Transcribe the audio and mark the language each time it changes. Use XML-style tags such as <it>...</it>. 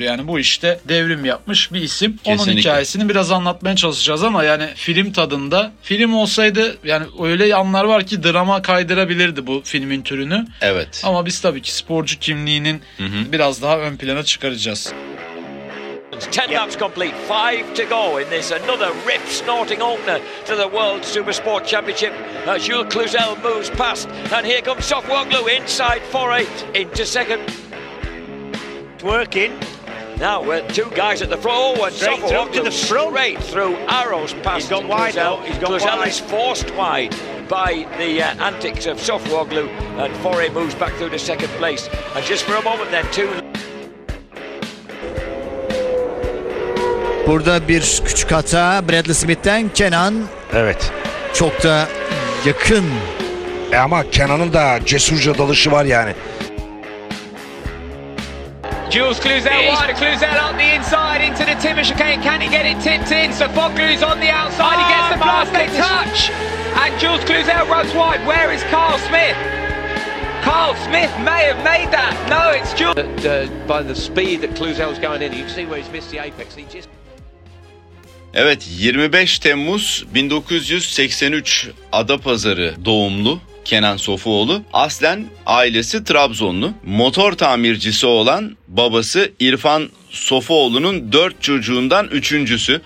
<tr>Yani bu işte devrim yapmış bir isim. Kesinlikle. Onun hikayesini biraz anlatmaya çalışacağız ama yani film tadında. Film olsaydı yani öyle anlar var ki drama kaydırabilirdi bu filmin türünü. Evet. Ama biz tabii ki sporcu kimliğinin biraz daha ön plana çıkaracağız.</tr> <en>10 yep. laps complete, 5 to go in this another rip-snorting opener to the World Supersport Championship as Jules Cluzel moves past and here comes Sofuoğlu inside 4-8 into second. It's working. Now we're two guys at the front. Oh, and Sofuoğlu to the front. Straight through arrows past Cluzel. He's gone wide now. He's gone Cluzel wide. Is forced wide by the antics of Sofuoğlu and 4-8 moves back through to second place. And just for a moment then, two...</en> <tr>Burada bir küçük hata Bradley Smith'ten Kenan. Evet. Çok da yakın. Ama Kenan'ın da cesurca dalışı var yani.</tr> <en>Jules Cluzel wide. Cluzel up the inside into the Timber Chicane. Can he get it tipped in? Sofoglu's on the outside. He gets the plastic touch. And Jules Cluzel runs wide. Where is Carl Smith? Carl Smith may have made that. No, it's Jules. By the speed that Cluzel's going in, you can see where he's missed the apex. He just...</en> <tr>Evet, 25 Temmuz 1983 Adapazarı doğumlu Kenan Sofuoğlu. Aslen ailesi Trabzonlu. Motor tamircisi olan babası İrfan Sofuoğlu'nun 4 çocuğundan 3.sü.</tr>